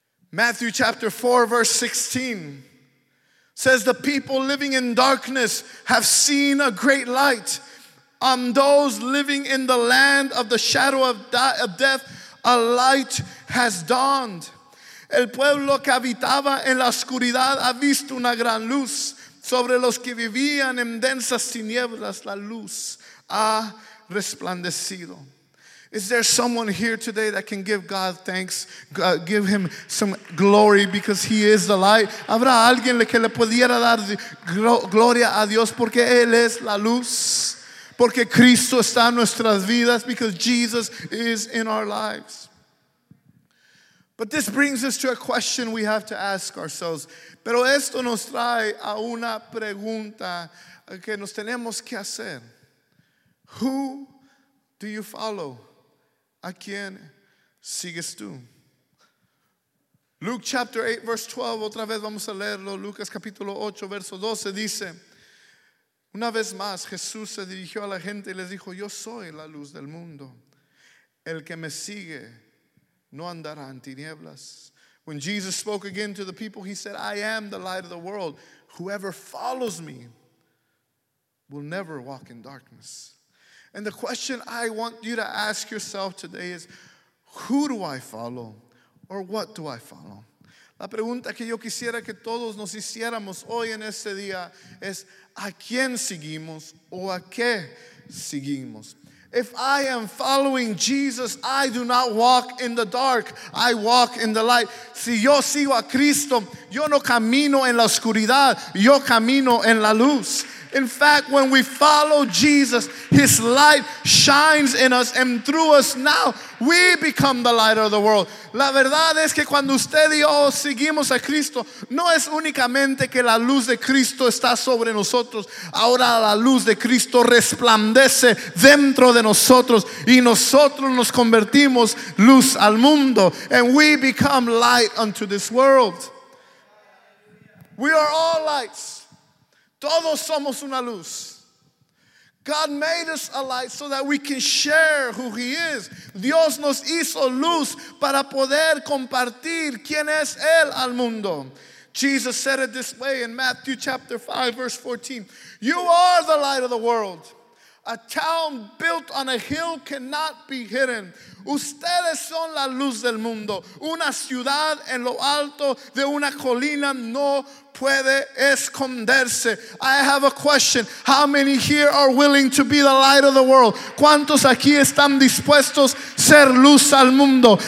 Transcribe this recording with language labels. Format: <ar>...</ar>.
<en>Matthew chapter 4 verse 16 says, the people living in darkness have seen a great light. On those living in the land of the shadow of death, a light has dawned.</en> <es>El pueblo que habitaba en la oscuridad ha visto una gran luz. Sobre los que vivían en densas tinieblas, la luz ha resplandecido.</es> <en>Is there someone here today that can give God thanks, give him some glory because he is the light?</en> <es>¿Habrá alguien que le pudiera dar gloria a Dios porque él es la luz? Porque Cristo está en nuestras vidas,</es> <en>because Jesus is in our lives. But this brings us to a question we have to ask ourselves.</en> <es>Pero esto nos trae a una pregunta que nos tenemos que hacer.</es> <en>Who do you follow?</en> <es>¿A quién sigues tú?</es> <en>Luke chapter 8 verse 12,</en> <es>otra vez vamos a leerlo. Lucas capítulo 8 verso 12 dice, una vez más Jesús se dirigió a la gente y les dijo, yo soy la luz del mundo. El que me sigue no andará en tinieblas.</es> <en>When Jesus spoke again to the people, he said, I am the light of the world. Whoever follows me will never walk in darkness. And the question I want you to ask yourself today is, who do I follow? Or what do I follow?</en> <es>La pregunta que yo quisiera que todos nos hiciéramos hoy en este día es, ¿a quién seguimos o a qué seguimos?</es> <en>If I am following Jesus, I do not walk in the dark. I walk in the light.</en> <es>Si yo sigo a Cristo, yo no camino en la oscuridad. Yo camino en la luz.</es> <en>In fact, when we follow Jesus, his light shines in us and through us now, we become the light of the world.</en> <es>La verdad es que cuando usted y yo seguimos a Cristo, no es únicamente que la luz de Cristo está sobre nosotros. Ahora la luz de Cristo resplandece dentro de nosotros y nosotros nos convertimos luz al mundo.</es> <en>And we become light unto this world. We are all lights.</en> <es>Todos somos una luz.</es> <en>God made us a light so that we can share who he is.</en> <es>Dios nos hizo luz para poder compartir quién es él al mundo.</es> <en>Jesus said it this way in Matthew chapter 5 verse 14. You are the light of the world. A town built on a hill cannot be hidden.</en> <es>Ustedes son la luz del mundo. Una ciudad en lo alto de una colina no puede esconderse.</es> <en>I have a question. How many here are willing to be the light of the world?</en> <es>¿Cuántos aquí están dispuestos ser luz al mundo?</es>